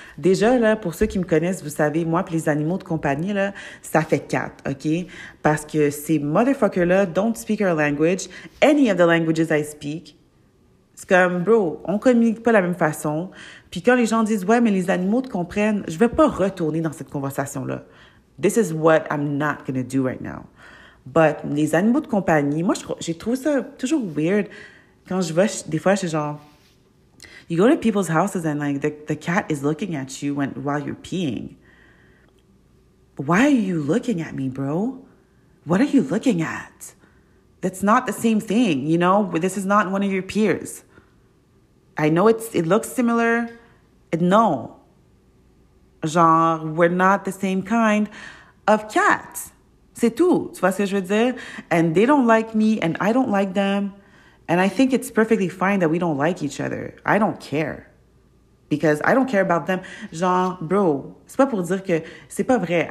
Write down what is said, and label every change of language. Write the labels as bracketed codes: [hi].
[fr] Déjà là, pour ceux qui me connaissent, vous savez, moi pis les animaux de compagnie là, ça fait 4, ok? Parce que ces motherfuckers là [en] don't speak our language, any of the languages I speak. [fr] C'est comme, bro, on communique pas la même façon. Puis quand les gens disent, ouais, mais les animaux te comprennent, je vais pas retourner dans cette conversation-là. [en] This is what I'm not gonna do right now. But [fr] les animaux de compagnie, moi, j'ai trouvé ça toujours [en] weird. [fr] Quand je vais, des fois, je suis genre, [en] you go to people's houses and, like, the cat is looking at you while you're peeing. Why are you looking at me, bro? What are you looking at? That's not the same thing, you know? This is not one of your peers. I know it looks similar. No. Genre, we're not the same kind of cat. [fr] C'est tout. Tu vois ce que je veux dire? [en] And they don't like me and I don't like them. And I think it's perfectly fine that we don't like each other. I don't care. Because I don't care about them. [fr] Genre, bro, c'est pas pour dire que c'est pas vrai.